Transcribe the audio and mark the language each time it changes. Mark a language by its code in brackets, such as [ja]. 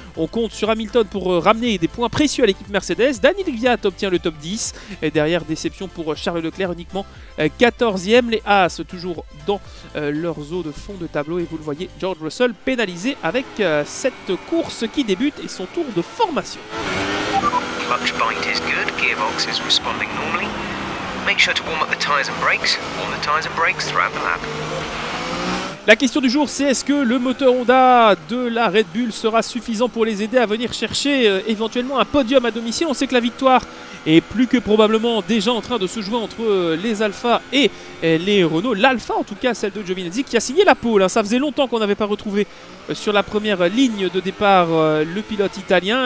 [fr] On compte sur Hamilton pour ramener des points précieux à l'équipe Mercedes. Daniel Kvyat obtient le top 10. Et derrière, déception pour Charles Leclerc, uniquement 14e. Les Haas toujours dans leurs eaux de fond de tableau. Et vous le voyez, George Russell pénalisé avec cette course qui débute et son tour de formation. [en] Clutch bite is good, gearbox is responding normally. Make sure to warm up the tires and brakes. Warm the tires and brakes throughout the lap. [fr] La question du jour, c'est est-ce que le moteur Honda de la Red Bull sera suffisant pour les aider à venir chercher éventuellement un podium à domicile? On sait que la victoire est plus que probablement déjà en train de se jouer entre les Alfa et les Renault. L'Alfa, en tout cas, celle de Giovinazzi, qui a signé la pole. Ça faisait longtemps qu'on n'avait pas retrouvé sur la première ligne de départ le pilote italien.